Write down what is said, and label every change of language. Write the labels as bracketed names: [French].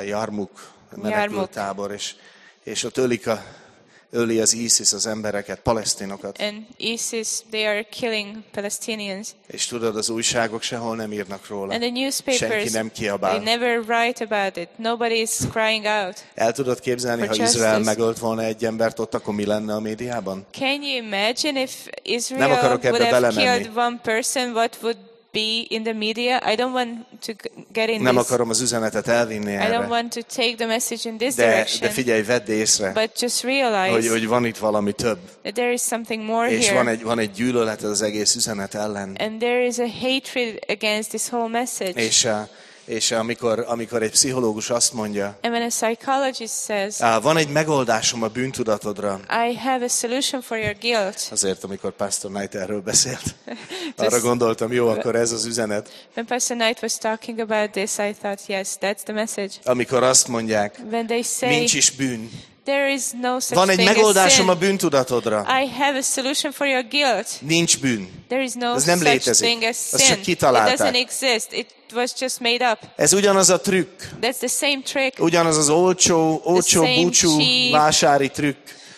[Hungarian] Jarmuk, menekültábor, és ott öli az ISIS az embereket, palesztinokat. [English] And ISIS, they are killing Palestinians. [Hungarian] És tudod, az újságok sehol nem írnak róla. [English] And the newspapers, [Hungarian] senki nem kiabál. [English] They never write about it. Nobody is crying out. [Hungarian] El tudod képzelni, ha Izrael megölt volna egy embert ott, akkor mi lenne a médiában? [English] Can you imagine if Israel would have killed one person, what would be in the media? I don't want to get in. [Hungarian] Nem akarom az üzenetet elvinni erre. [English] I don't want to take the message in this direction. [Hungarian] De figyelj, vedd észre. [English] But just realize, [Hungarian] hogy van itt valami több. [English] There is something more [Hungarian] és [English] here. [Hungarian] És van egy gyűlölet az egész üzenet ellen. [English] And there is a hatred against this whole message. [Hungarian] És amikor egy pszichológus azt mondja, [English] and when a psychologist says, [Hungarian] van egy megoldásom a bűntudatodra, [English] I have a solution for your guilt. [Hungarian] Azért, amikor Pastor Knight erről beszélt, arra gondoltam, jó, akkor ez az üzenet. [English] When Pastor Knight was talking about this, I thought, yes, that's the message. [Hungarian] Amikor azt mondják, [English] when they say, [Hungarian] nincs is bűn. [English] There is no such [Hungarian] van egy megoldásom a bűntudatodra. [English] I have a solution for your guilt. [Hungarian] Nincs bűn. [English] There is no [Hungarian] ez nem [English] such [Hungarian] létezik. [English] Thing as sin. [Hungarian] Az csak kitalálták. [English] It doesn't exist. It was just made up. [Hungarian] Ez ugyanaz a trükk. [English] That's the same trick. [Hungarian] Ugyanaz az olcsó búcsú vásári trükk.